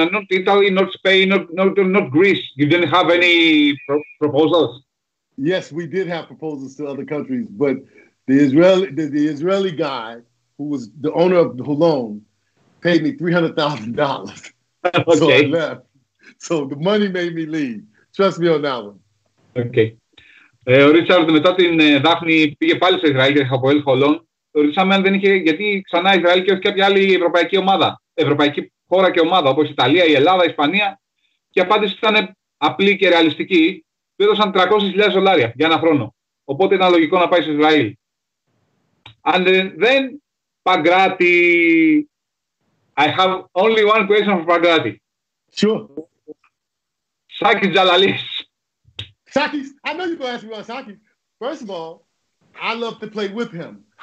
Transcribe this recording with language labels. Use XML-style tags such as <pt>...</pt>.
<en>And not Italy, not Spain, not Greece. You didn't have any proposals? Yes, we did have proposals to other countries, but the Israeli guy who was the owner of Holon paid me $300,000. Okay. So I left. So the money made me leave. Trust me on that one. Okay.</en> <el>Ο Ρίτσαρντ μετά την Δάφνη πήγε πάλι στο Ισραήλ και από Ελχολόν. Το ρίξαμε αν δεν είχε, γιατί ξανά Ισραήλ και όχι κάποια άλλη ευρωπαϊκή ομάδα, ευρωπαϊκή χώρα και ομάδα, όπως η Ιταλία, η Ελλάδα, η Ισπανία. Και η απάντηση ήταν απλή και ρεαλιστική. Του έδωσαν 300.000 δολάρια για ένα χρόνο. Οπότε ήταν λογικό να πάει στο Ισραήλ.</el> <en>And then Παγκράτη. I have only one question for Παγκράτη. Sure.</en> <el>Σάκη Τζαλαλής.</el> <en>Sakis, I know you're going to ask me about Sakis. First of all, I love to play with him.</en>